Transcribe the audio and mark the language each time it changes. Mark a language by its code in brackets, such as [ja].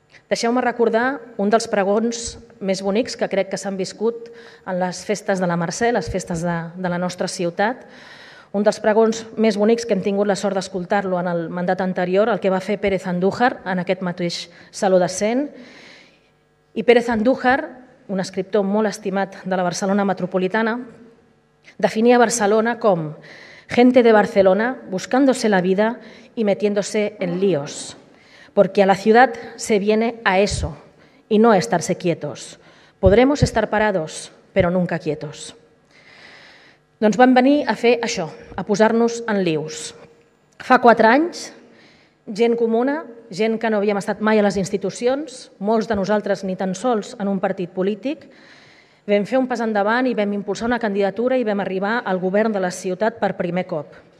[ca] Deixeu-me recordar un dels pregons més bonics que crec que s'han viscut en les festes de la Mercè, les festes de la nostra ciutat. Un dels pregons més bonics que hem tingut la sort d'escoltar-lo en el mandat anterior, el que va fer Pérez Andújar en aquest mateix Saló de Cent. I Pérez Andújar, un escriptor molt estimat de la Barcelona metropolitana, definia Barcelona com [es] «gente de Barcelona buscándose la vida y metiéndose en líos, porque a la ciudad se viene a eso y no a estarse quietos. Podremos estar parados, pero nunca quietos». [ca] Doncs vam venir a fer això, a posar-nos en líos. Fa 4 anys, gent comuna, gent que no havíem estat mai a les institucions, molts de nosaltres ni tan sols en un partit polític, vam fer un pas endavant i vam impulsar una candidatura i vam arribar al govern de la ciutat per primer cop.